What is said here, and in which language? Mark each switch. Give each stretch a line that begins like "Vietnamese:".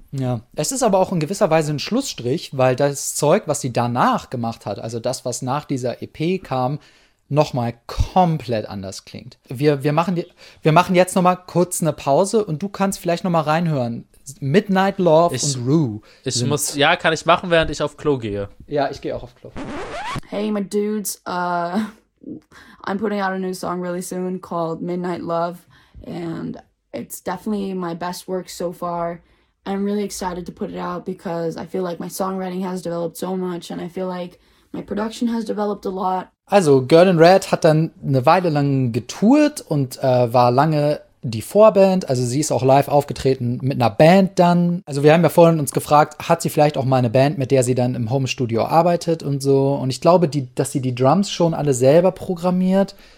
German: Ja, es ist aber auch in gewisser Weise ein Schlussstrich, weil das Zeug, was sie danach gemacht hat, also das, was nach dieser EP kam, nochmal komplett anders klingt. Wir machen jetzt nochmal kurz eine Pause und du kannst vielleicht nochmal reinhören. Midnight Love und Rue. Kann ich machen, während ich auf Klo gehe. Ja, ich gehe auch auf Klo.
English: Hey, my dudes, I'm putting out a new song really soon called Midnight Love, and it's definitely my best work so far. I'm really excited to put it out because I feel like my songwriting has developed so much and I feel like my production has developed a lot.
German: Also, Girl in Red hat dann eine Weile lang getourt und war lange die Vorband, also sie ist auch live aufgetreten mit einer Band dann. Also wir haben ja vorhin uns gefragt, hat sie vielleicht auch mal eine Band, mit der sie dann im Homestudio arbeitet und so. Und ich glaube, dass sie die Drums schon alle selber programmiert.